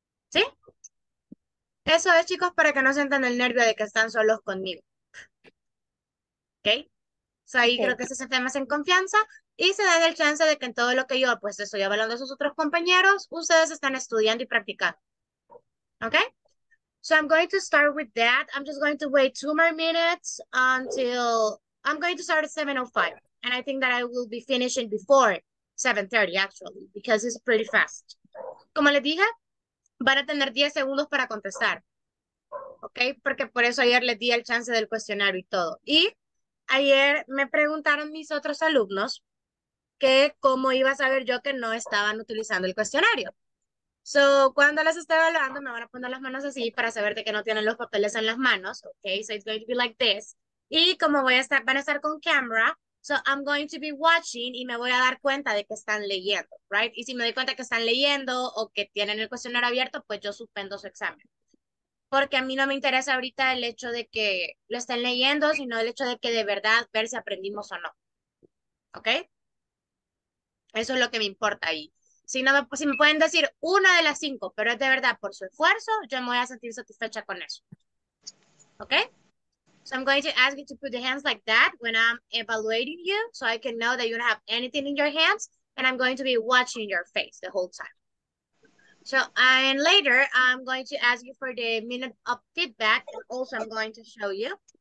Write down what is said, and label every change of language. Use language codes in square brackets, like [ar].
[es] ¿Sí? Eso es, chicos, para que no sientan el nervio de que están solos conmigo. ¿Ok? So ahí okay. Creo que se sienten más en confianza y se dan el chance de que en todo lo que yo pues estoy hablando de sus otros compañeros, ustedes están estudiando y practicando. [en] ¿Ok? So I'm going to start with that. I'm just going to wait 2 more minutes until... I'm going to start at 7:05. And I think that I will be finishing before 7:30, actually, because it's pretty fast. [es] Como les dije, van a tener 10 segundos para contestar. ¿Ok? Porque por eso ayer les di el chance del cuestionario y todo. Y ayer me preguntaron mis otros alumnos que cómo iba a saber yo que no estaban utilizando el cuestionario. So, cuando les esté evaluando, me van a poner las manos así para saber de que no tienen los papeles en las manos. ¿Ok? So, it's going to be like this. Y como voy a estar, van a estar con camera, so I'm going to be watching y me voy a dar cuenta de que están leyendo, right? Y si me doy cuenta que están leyendo o que tienen el cuestionario abierto, pues yo suspendo su examen. Porque a mí no me interesa ahorita el hecho de que lo estén leyendo, sino el hecho de que de verdad ver si aprendimos o no. ¿Ok? Eso es lo que me importa ahí. Si, no me, si me pueden decir una de las 5, pero es de verdad por su esfuerzo, yo me voy a sentir satisfecha con eso. ¿Ok? [en] So I'm going to ask you to put the hands like that when I'm evaluating you so I can know that you don't have anything in your hands and I'm going to be watching your face the whole time. So and later, I'm going to ask you for the minute of feedback and also I'm going to show you.